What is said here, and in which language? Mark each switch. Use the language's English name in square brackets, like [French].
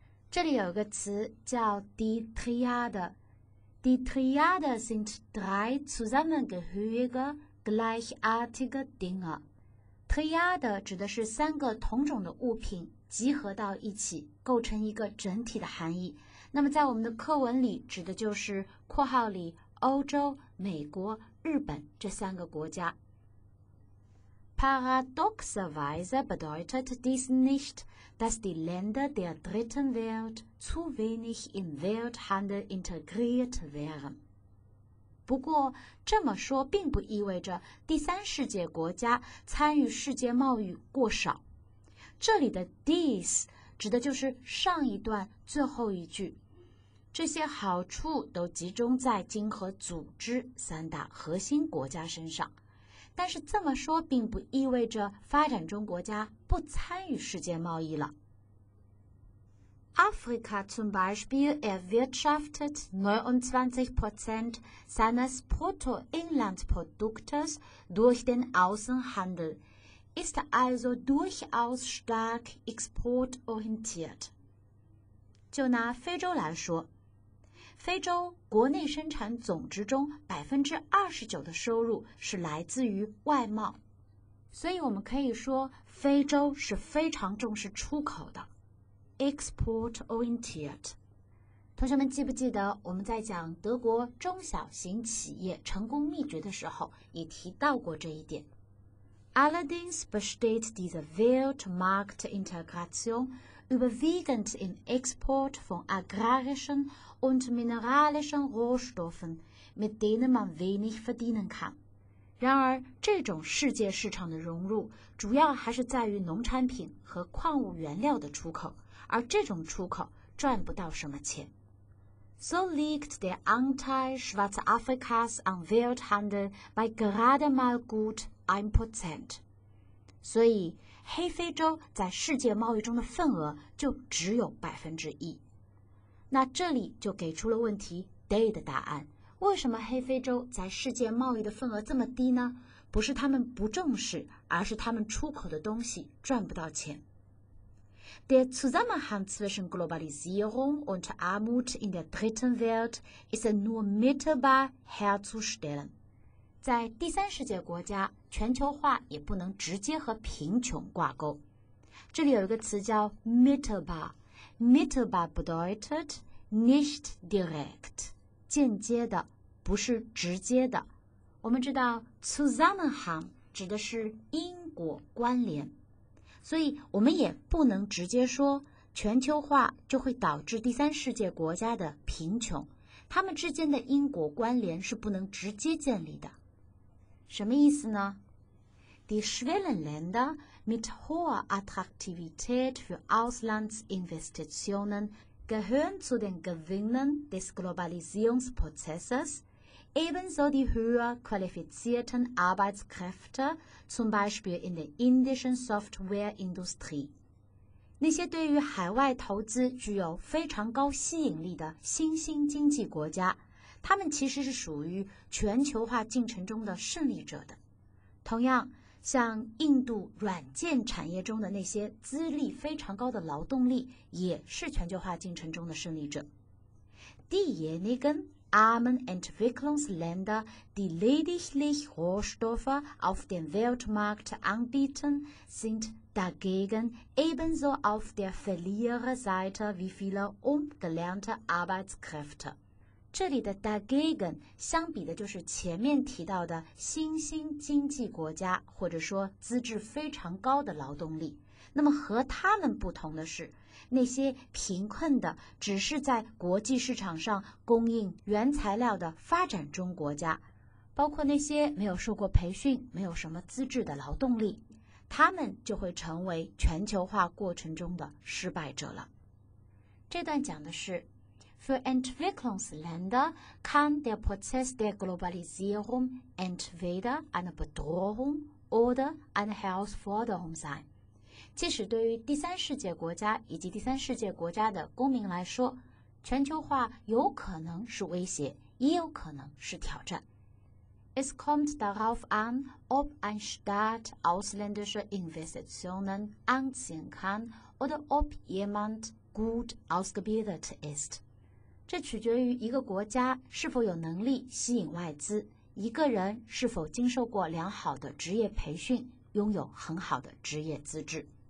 [Chinese] 这里有一个词叫 [German] die Triade， die Triade sind drei zusammengehörige gleichartige Dinge， [Chinese] Triade 指的是三个同种的物品集合到一起构成一个整体的含义。那么在我们的课文里指的就是括号里欧洲、美国、日本这三个国家。 [German] Paradoxerweise bedeutet dies nicht, dass die Länder der Dritten Welt zu wenig im Welthandel integriert wären. [Chinese] 不过这么说并不意味着第三世界国家参与世界贸易过少。这里的 dies 指的就是上一段最后一句。这些好处都集中在经合组织三大核心国家身上。但是这么说并不意味着发展中国家不参与世界贸易了。 [German] Afrika zum Beispiel erwirtschaftet 29% seines Bruttoinlandproduktes durch den Außenhandel, ist also durchaus stark exportorientiert. [Chinese] 就拿非洲来说，非洲国内生产总值中 29% 的收入是来自于外贸，所以我们可以说非洲是非常重视出口的。 [English] Export oriented， [Chinese] 同学们记不记得我们在讲德国中小型企业成功秘诀的时候也提到过这一点。 [German] Allerdings besteht diese Weltmarktintegration überwiegend in Export von agrarischen und mineralischen Rohstoffen, mit denen man wenig verdienen kann。 [Chinese] 然而，这种世界市场的融入主要还是在于农产品和矿物原料的出口，而这种出口赚不到什么钱。 [German] So liegt der Anteil Schwarzafrikas an Welthandel bei gerade mal gut 1%. [Chinese] 所以，黑非洲在世界贸易中的份额就只有1%。那这里就给出了问题 Day 的答案。为什么黑非洲在世界贸易的份额这么低呢？不是他们不重视，而是他们出口的东西赚不到钱。 Der Zusammenhang zwischen Globalisierung und Armut in der Dritten Welt ist nur mittelbar herzustellen. 在第三世界国家，全球化也不能直接和贫穷挂钩。这里有一个词叫 mittelbar， [German] mittelbar bedeutet nicht direkt. [Chinese] 间接的，不是直接的。我们知道 Zusammenhang 指的是因果关联，所以我们也不能直接说全球化就会导致第三世界国家的贫穷，他们之间的因果关联是不能直接建立的。什么意思呢？ [German] Die Schwellenländer mit hoher Attraktivität für Auslandsinvestitionen gehören zu den Gewinnern des Globalisierungsprozesses, ebenso die höher qualifizierten Arbeitskräfte, zum Beispiel in der indischen Softwareindustrie. [Chinese] 那些对于海外投资具有非常高吸引力的新兴经济国家，他们其实是属于全球化进程中的胜利者的。同样，像印度软件产业中的那些资历非常高的劳动力也是全球化进程中的胜利者。 [German] Diejenigen armen Entwicklungsländer, die lediglich Rohstoffe auf dem Weltmarkt anbieten, sind dagegen ebenso auf der Verliererseite wie viele ungelernte Arbeitskräfte。 [Chinese] 这里的 dagegen 相比的就是前面提到的新兴经济国家，或者说资质非常高的劳动力。那么和他们不同的是，那些贫困的只是在国际市场上供应原材料的发展中国家，包括那些没有受过培训、没有什么资质的劳动力，他们就会成为全球化过程中的失败者了。这段讲的是 [German] Für Entwicklungsländer kann der Prozess der Globalisierung entweder eine Bedrohung oder eine Herausforderung sein. [Chinese] 即使对于第三世界国家以及第三世界国家的公民来说，全球化有可能是威胁，也有可能是挑战。 [German] Es kommt darauf an, ob ein Staat ausländische Investitionen anziehen kann oder ob jemand gut ausgebildet ist. [Chinese] 这取决于一个国家是否有能力吸引外资，一个人是否经受过良好的职业培训，拥有很好的职业资质。